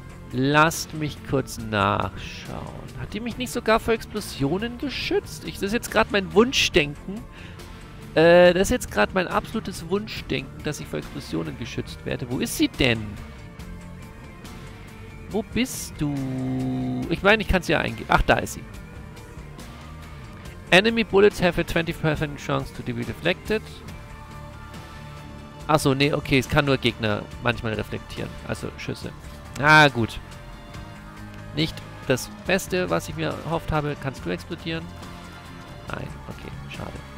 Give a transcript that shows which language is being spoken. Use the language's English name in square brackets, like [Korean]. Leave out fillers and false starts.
[German] Lasst mich kurz nachschauen. Hat die mich nicht sogar vor Explosionen geschützt? Das ist jetzt gerade mein Wunschdenken. Das ist jetzt gerade mein absolutes Wunschdenken, dass ich vor Explosionen geschützt werde. Wo ist sie denn? Wo bist du? Ich meine, ich kann sie ja eingeben. Ach, da ist sie. [English] Enemy Bullets have a 20% chance to be deflected. [German] Achso, nee, okay, es kann nur Gegner manchmal reflektieren. Also Schüsse. Ah, gut. Nicht das Beste, was ich mir erhofft habe. Kannst du explodieren? Nein, okay, schade.